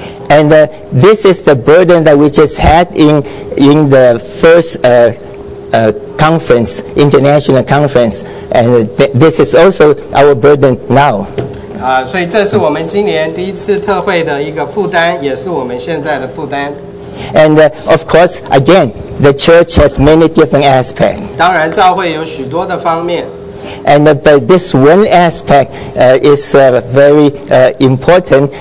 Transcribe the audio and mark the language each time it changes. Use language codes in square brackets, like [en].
[en] And this is the burden that we just had in the first conference, international conference, and this is also our burden now. [zh] 所以这是我们今年第一次特会的一个负担，也是我们现在的负担。 [en] And of course, again, the church has many different aspects. [zh] 当然，召会有许多的方面。 [en] And but this one aspect is very important.